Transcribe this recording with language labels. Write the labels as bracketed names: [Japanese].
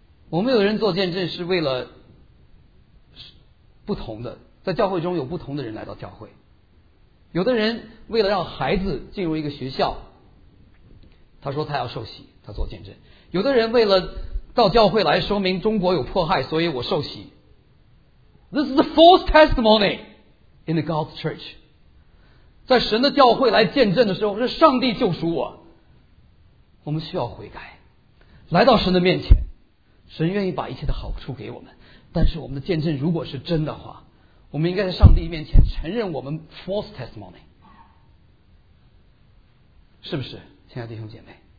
[Chinese] 我们有人做见证是为了不同的，在教会中有不同的人来到教会，有的人为了让孩子进入一个学校，他说他要受洗，他做见证。有的人为了到教会来说明中国有迫害，所以我受洗。 [English] This is the false testimony in the God's church. [Chinese] 在神的教会来见证的时候，是上帝救赎我。我们需要悔改，来到神的面前，神愿意把一切的好处给我们。但是我们的见证如果是真的话，我们应该在上帝面前承认我们 [English] false testimony， [Chinese] 是不是，亲爱的弟兄姐妹？